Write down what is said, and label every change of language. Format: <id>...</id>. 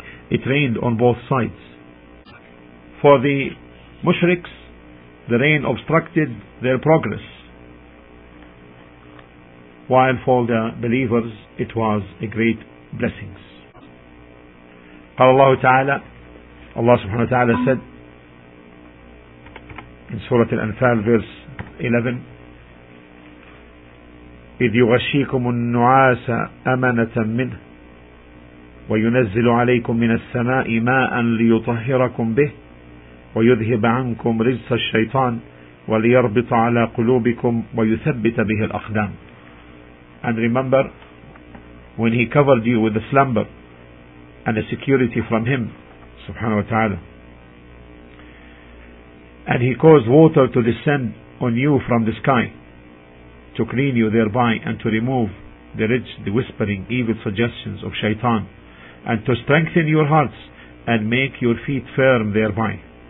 <en>It rained on both sides. For the mushriks, the rain obstructed their progress, while for the believers, it was a great blessing.</en> <ar>قال الله تعالى الله سبحانه وتعالى</ar> <en>said in</en> <ar>سورة الأنفال verse 11 إذ يغشيكم النعاس أمنة منه وينزل عليكم من السماء ماء ليطهركم به ويذهب عنكم رجس الشيطان وليربط على قلوبكم ويثبت به الأقدام.</ar> <en>And remember when he covered you with a slumber and a security from him, subhanahu wa ta'ala. And he caused water to descend on you from the sky, to clean you thereby, and to remove the ridge, the whispering, evil suggestions of shaitan, and to strengthen your hearts, and make your feet firm thereby.</en>